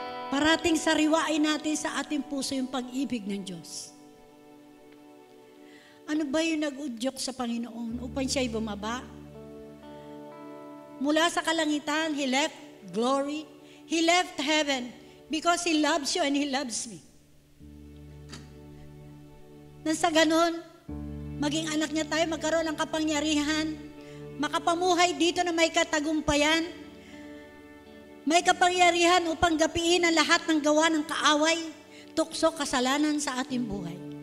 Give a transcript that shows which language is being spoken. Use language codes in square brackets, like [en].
[tl] parating sariwain natin sa ating puso yung pag-ibig ng Diyos. Ano ba yung nag-udyok sa Panginoon upang siya'y bumaba? Mula sa kalangitan, [en] He left glory. He left heaven because He loves you and He loves me. [tl] Nang sa ganun, maging anak niya tayo, magkaroon ng kapangyarihan, makapamuhay dito na may katagumpayan, may kapangyarihan upang gapiin ang lahat ng gawa ng kaaway, tukso, kasalanan sa ating buhay.